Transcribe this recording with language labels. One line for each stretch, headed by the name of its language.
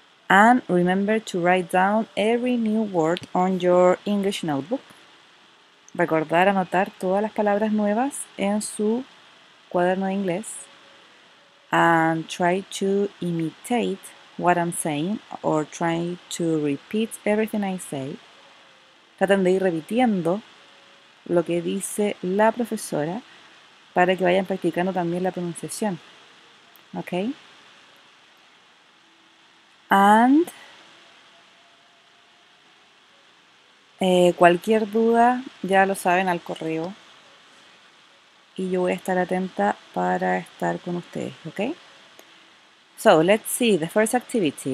English: And remember to write down every new word on your English notebook.
Spanish: Recordar anotar todas las palabras nuevas en su cuaderno de inglés.
English: And try to imitate what I'm saying or try to repeat everything I say.
Spanish: Traten de ir repitiendo lo que dice la profesora para que vayan practicando también la pronunciación. ¿Ok? And cualquier duda ya lo saben al correo y yo voy a estar atenta para estar con ustedes. ¿Ok?
English: So, let's see. The first activity.